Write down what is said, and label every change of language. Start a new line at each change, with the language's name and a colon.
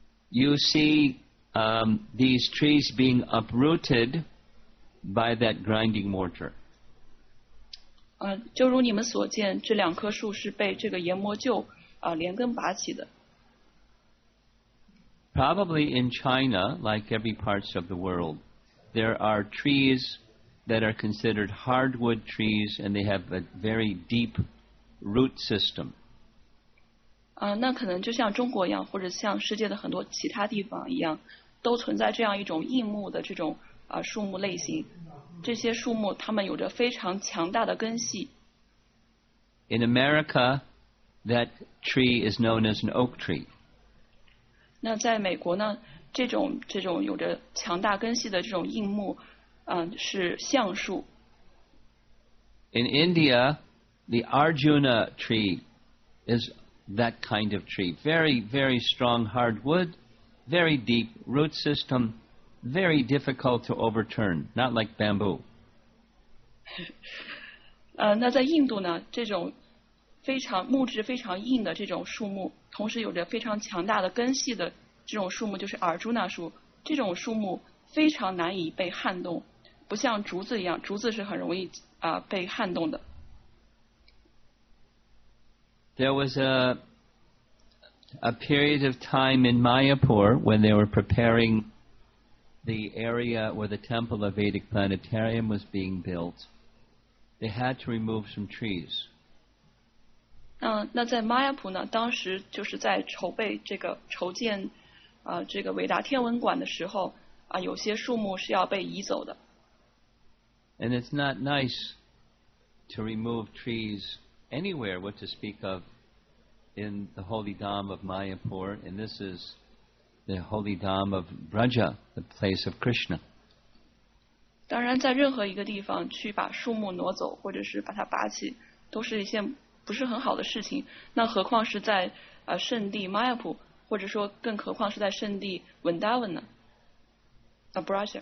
English: You see these trees being uprooted by that grinding mortar.
Chinese: 就如你们所见，这两棵树是被这个研磨臼连根拔起的。
English: Probably in China, like every parts of the world, there are trees that are considered hardwood trees and they have a very deep root system.
Chinese: 那可能就像中国一样，或者像世界的很多其他地方一样，都存在这样一种硬木的这种树木类型。这些树木它们有着非常强大的根系。
English: In America, that tree is known as an oak tree.
Chinese: 那在美国呢，这种有着强大根系的这种硬木是橡树。
English: In India, the Arjuna tree is that kind of tree. Very, very strong hardwood, very deep root system, very difficult to overturn, not like bamboo.
Chinese: 那在印度呢，这种非常木质非常硬的这种树木，同时有着非常强大的根系的这种树木，就是 Arjuna 树，这种树木非常难以被撼动。不像竹子一样，竹子是很容易被撼动的。
English: There was a period of time in Mayapur when they were preparing the area where the temple of Vedic Planetarium was being built. They had to remove some trees.
Chinese: 那在 Mayapur 呢？当时就是在筹备这个筹建这个伟达天文馆的时候有些树木是要被移走的。 And it's not nice to remove trees anywhere, what to speak of in the holy dham of Mayapur, and this is the holy dham of Braja, the place of Krishna. 当然在任何一个地方去把树木挪走或者是把它拔起都是一件不是很好的事情，那何况是在圣地 Mayapur, 或者说更何况是在圣地 Vrindavan 呢？Braja.